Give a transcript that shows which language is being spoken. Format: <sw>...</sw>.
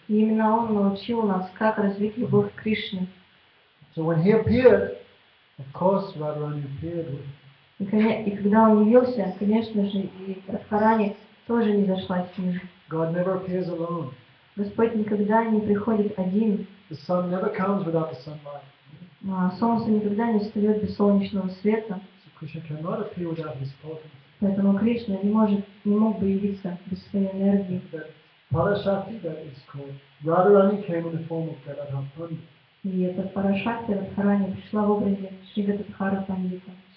<ru>И именно он научил нас, как развить любовь к Кришне.</ru> <en>So when he appeared, of course, Radharani appeared with him.</en> <ru>И когда он явился, конечно же, и Радхарани тоже не зашла с ним.</ru> <en>God never appears alone.</en> <ru>Господь никогда не приходит один.</ru> <en>The sun never comes without the sunlight.</en> <ru>Солнце никогда не встает без солнечного света.</ru> <en>So Krishna cannot appear without his potency.</en> <ru>Поэтому Кришна не мог бы явиться без своей энергии.</ru> <en>That Parashakti, that is called, Radharani came in the form of Gadadhar Pandita.</en> <ru>И эта Парашакти Радхарани пришла в образе Шри Гададхара Пандита.</ru>